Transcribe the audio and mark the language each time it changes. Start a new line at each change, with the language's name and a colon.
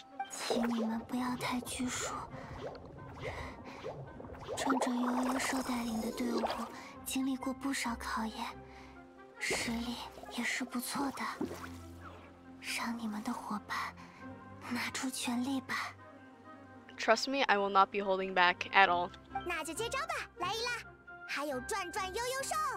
Chinese: 请你们不要太拘束。转转悠悠兽带领的队伍经历过不少考验，实力也是不错的。让你们的伙伴拿出全力吧。
English: Trust me, I will not be holding back at all.
Chinese: 那就接招吧，莱伊拉，还有转转悠悠兽。